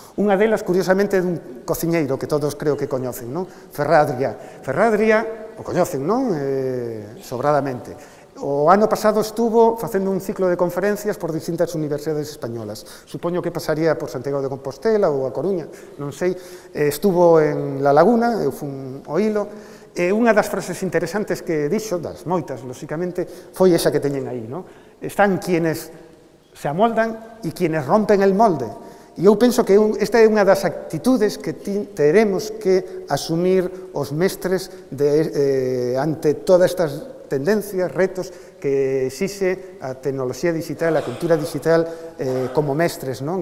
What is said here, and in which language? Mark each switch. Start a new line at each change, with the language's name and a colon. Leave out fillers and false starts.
Galician: Unha delas, curiosamente, dun cociñeiro que todos creo que coñecen, non? Ferradria, o coñecen, non? Sobradamente. O ano pasado estuvo facendo un ciclo de conferencias por distintas universidades españolas. Supoño que pasaría por Santiago de Compostela ou a Coruña, non sei. Estuvo en La Laguna, eu fun oílo. E unha das frases interesantes que dixo, das moitas, lóxicamente, foi esa que teñen aí, non?
Spanish: Están quienes se amoldan e quienes rompen el molde.
Galician: E eu penso que esta é unha das actitudes que teremos que asumir os mestres de, ante todas estas tendencias, retos que exixe a tecnoloxía digital, a cultura digital como mestres, non?